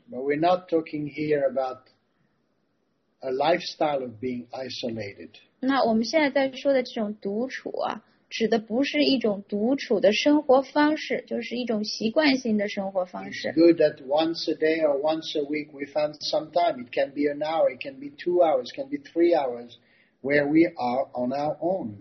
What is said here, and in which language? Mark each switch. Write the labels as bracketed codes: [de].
[en] But we're not talking here about a lifestyle of being isolated. [zh] 那我们现在在说的这种独处啊, 指的不是一种独处的生活方式, 就是一种习惯性的生活方式。 [en] It's good that once a day or once a week we find some time. It can be an hour, it can be 2 hours, it can be 3 hours, where we are on our own.